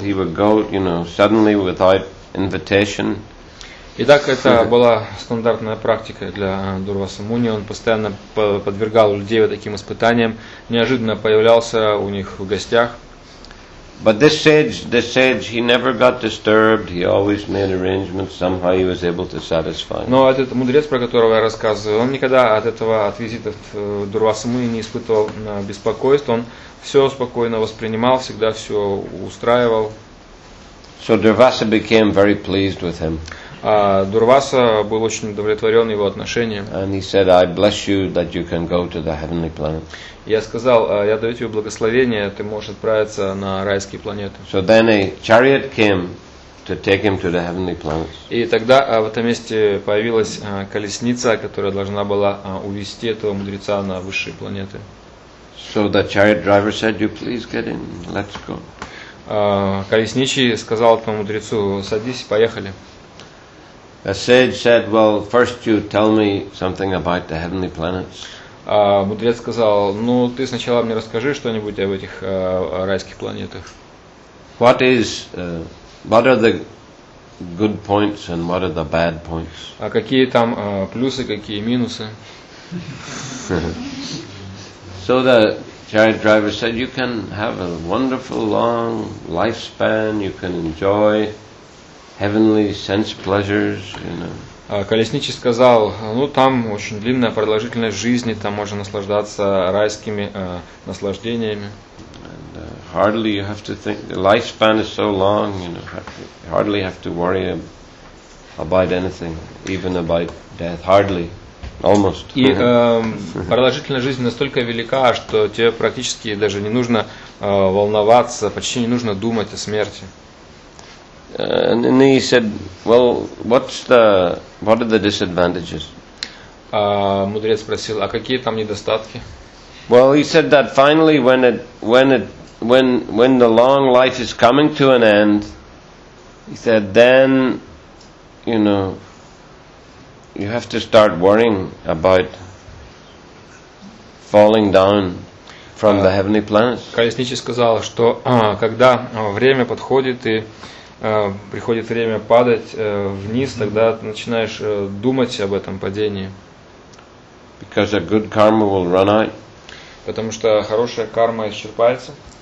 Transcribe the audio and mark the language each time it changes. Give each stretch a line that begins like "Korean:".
English: He would go, you know, suddenly without invitation.
Russian: Итак, это была стандартная практика для Дурваса Муни. Он постоянно подвергал людей таким испытаниям. Неожиданно появлялся у них в гостях.
English: But this sage, he never got disturbed. He always made arrangements. Somehow he was able to satisfy.
Russian: Но этот мудрец, про которого я рассказываю, он никогда от этого, от визитов Дурваса Муни не испытывал беспокойства. Он все спокойно воспринимал, всегда все устраивал.
English: So Durvasa became very pleased with him.
Russian: Дурваса был очень удовлетворен его отношением.
English: And he said, "I bless you that you can go to the heavenly planet."
Russian: Я сказал, я даю тебе благословение, ты можешь отправиться на райские планеты.
English: So then a chariot came to take him to the heavenly planets.
Russian: И тогда в этом месте появилась колесница, которая должна была увести этого мудреца на высшие планеты.
English: So the chariot driver said, "You please get in. Let's go."
Russian: Колесничий сказал этому мудрецу: "Садись, поехали."
English: The sage said, "Well, first you tell me something about the heavenly planets."
Russian: Мудрец сказал: "Ну, ты сначала мне расскажи что-нибудь об этих райских планетах."
English: What is what are the good points and what are the bad points?
Russian: А какие там плюсы, какие минусы?
English: So the chariot driver said, "You can have a wonderful long lifespan. You can enjoy heavenly sense pleasures, you know."
Russian: Колесничий сказал: "Ну, там очень длинная продолжительность жизни. Там можно наслаждаться райскими наслаждениями."
English: And, hardly you have to think. The lifespan is so long. You know, hardly have to worry about anything, even about death. Hardly. Almost.
Russian: И продолжительность жизни настолько велика, что тебе практически даже не нужно волноваться, почти не нужно думать о смерти.
English: And then he said, "Well, what are the disadvantages?"
Russian: Мудрец спросил: "А какие там недостатки?"
English: Well, he said that finally, when the long life is coming to an end, he said, then, you know. You have to start worrying about falling down from the heavenly planets.
Russian: Колесничий сказал, что когда время подходит и приходит время падать вниз, тогда начинаешь думать об этом падении.
English: Because a good karma will run out.
Russian: Потому что хорошая карма исчерпается.